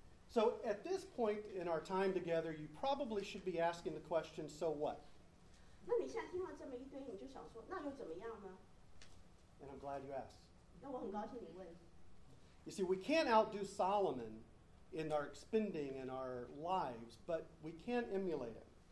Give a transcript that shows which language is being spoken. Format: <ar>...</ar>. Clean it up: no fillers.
<en>So at this point in our time together, you probably should be asking the question, so what?</en> <zh>那你现在听到这么一堆，你就想说, 那又怎么样呢?</zh> <en>And I'm glad you asked.</en> <zh>那我很高兴你问。</zh> <en>You see, we can't outdo Solomon in our expending and our lives, but we can emulate him.</en>